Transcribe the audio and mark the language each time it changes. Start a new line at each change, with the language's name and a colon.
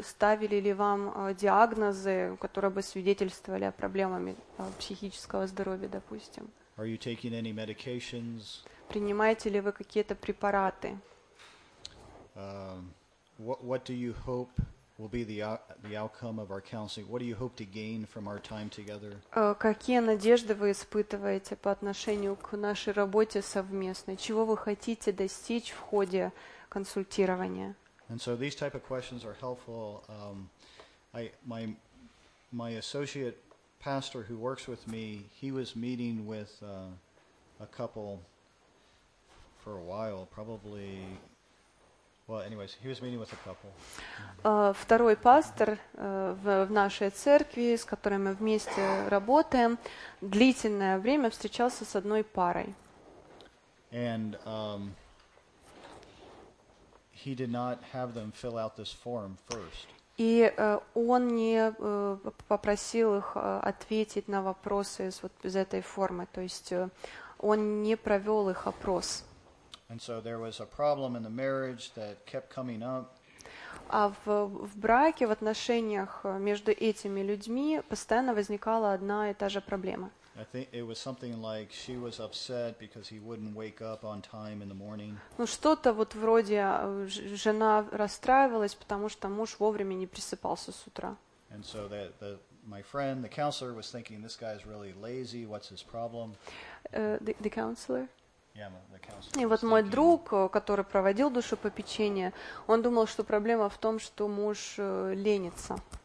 Russian: Ставили ли вам диагнозы, которые бы свидетельствовали о проблемах психического здоровья, допустим?
English: Are you taking any medications?
Russian: Принимаете ли вы какие-то препараты?
English: What do you hope will be the outcome of our counseling? What do you hope to gain from our time together?
Russian: Какие надежды вы испытываете по отношению к нашей работе совместной? Чего вы хотите достичь в ходе консультирования?
English: And so these type of questions are helpful. My associate pastor who works with me, he was meeting with a couple for a while, probably. Well, anyways, he was meeting with a couple.
Russian: Второй пастор в нашей церкви, с которым мы вместе работаем, длительное время встречался с одной парой.
English: And he did not have them fill out this form first.
Russian: И он не попросил их ответить на вопросы из вот из этой формы, то есть он не провёл их опрос.
English: And so there was a problem in the marriage that kept coming up.
Russian: А в браке, в отношениях между этими людьми постоянно возникала одна и та же проблема.
English: I think it was something like she was upset because he wouldn't wake up on time in the morning.
Russian: Ну что-то вот вроде жена расстраивалась, потому что муж вовремя не просыпался с утра.
English: And so that my friend, the counselor, was thinking this guy is really lazy. What's his problem? The counselor. Yeah,
Russian: и вот мой друг, который проводил душепопечение, он думал, что проблема в том, что муж ленится.